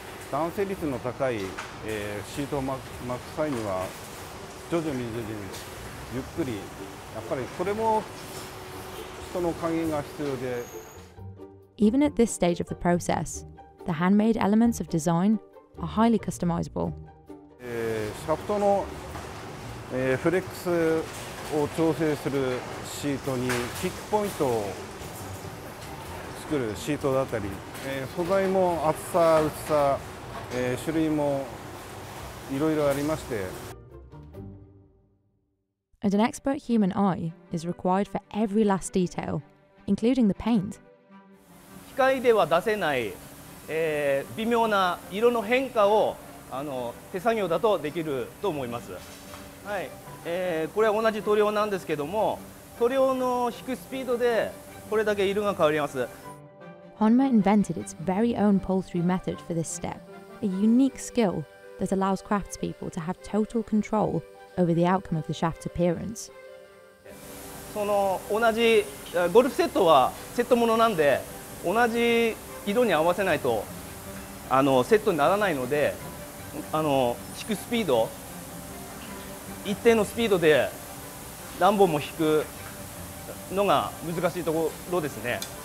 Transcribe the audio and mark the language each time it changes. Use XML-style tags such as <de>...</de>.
<ja>酸性率の高いシートを巻く際には徐々に徐々にゆっくり、やっぱりこれも人の加減が必要で。</ja> <en>Even at this stage of the process, the handmade elements of design are highly customizable.</en> <ja>シャフトのフレックスを調整するシートにキックポイントを作るシートだったり、素材も厚さ、薄さ、種類もいろいろありまして。</ja> <en>And an expert human eye is required for every last detail, including the paint.</en> <ja>機械では出せない、微妙な色の変化を手作業だとできると思います。はい、これは同じ塗料なんですけども、塗料の引くスピードでこれだけ色が変わります。</ja> <en>Honma invented its very own pull-through method for this step, a unique skill that allows craftspeople to have total control over the outcome of the shaft's appearance.</en> <ja>その同じゴルフセットはセットものなんで、同じ色に合わせないとセットにならないので、引くスピード、一定のスピードで何本も引くのが難しいところですね。</ja>